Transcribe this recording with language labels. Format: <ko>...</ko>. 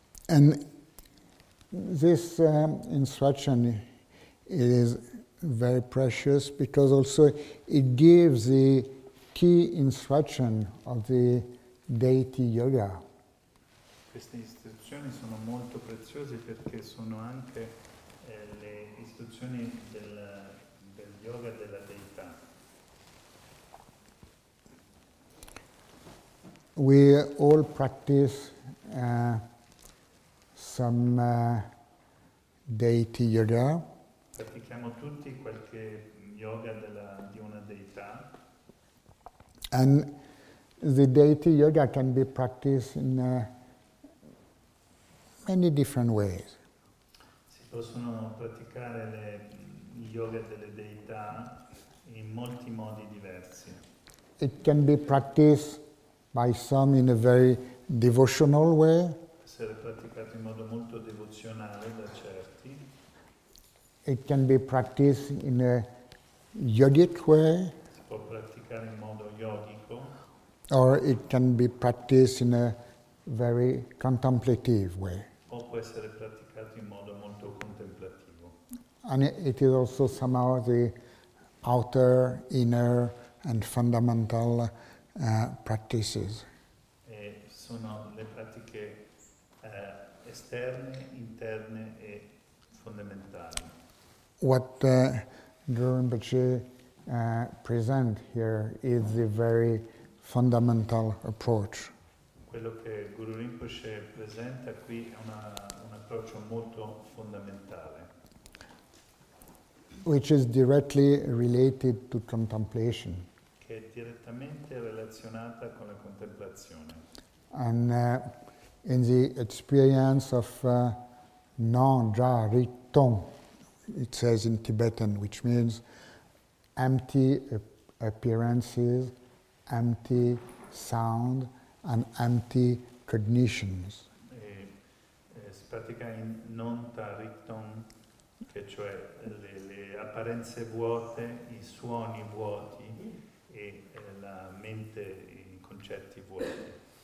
<en>And this instruction is very precious because also it gives the key instruction of the deity yoga.</en> <it>Queste istruzioni sono molto preziose perché sono anche le istruzioni del yoga della deità.</it> <en>We all practice some deity yoga.</en> <it>Pratichiamo tutti qualche yoga di una deità.</it> <en>And the deity yoga can be practiced in many different ways.</en> <it>Si possono praticare le yoga delle deità in molti modi diversi.</it> <en>It can be practiced by some in a very devotional way.</en> <it>Essere praticato in modo molto devozionale da certi.</it> <en>It can be practiced in a yogic way.</en> <it>Si può praticare in modo yogic.</it> <en>Or it can be practiced in a very contemplative way.</en> <it>O può essere praticato in modo molto contemplativo.</it> <en>And it is also somehow the outer, inner, and fundamental practices.</en> <it>E sono le pratiche esterne, interne e fondamentali.</it> <en>What Guru Rinpoche present here is the very fundamental approach.</en> <it>Quello che Guru Rinpoche presenta qui è un approccio molto fondamentale.</it> <en>Which is directly related to contemplation.</en> <it>Che è direttamente relazionata con la contemplazione.</it> <en>And in the experience of non-ja-ri-tong, it says in Tibetan, which means empty appearances, empty sound, and empty cognitions.</en> <it>Pratica in non tariton, che cioè le apparenze vuote, i suoni vuoti e la mente in concetti vuoti.</it>